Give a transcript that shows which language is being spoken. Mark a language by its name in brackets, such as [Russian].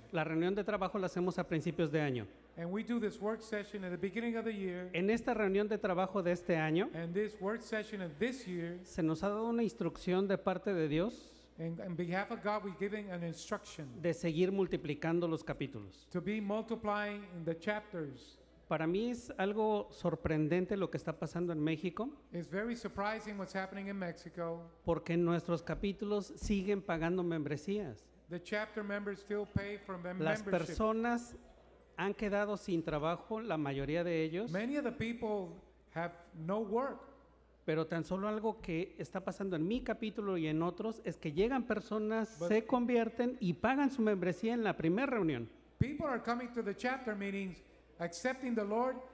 [Spanish] La reunión de trabajo la hacemos a principios de año. [English] And we do this work session at the beginning of the year. [Spanish] En esta reunión de trabajo de este año, [English] and this work session of this year, [Spanish] se nos ha dado una instrucción de parte de Dios, [English] and on behalf of God, we're giving an instruction, [Spanish] de seguir multiplicando los capítulos. [English] To be multiplying the chapters. [Spanish] Para mí es algo sorprendente lo que está pasando en México. [English] It's very surprising what's happening in Mexico. [Spanish] Porque nuestros capítulos siguen pagando membresías. [English] The chapter members still pay for membership. [Spanish] Las personas han quedado sin trabajo, la mayoría de ellos. [English] Many of the people have no work. [Spanish] Pero tan solo algo que está pasando en mi capítulo y en otros es que llegan personas, se convierten y pagan su membresía en la primera reunión. [English] People are coming to the chapter meetings accepting the Lord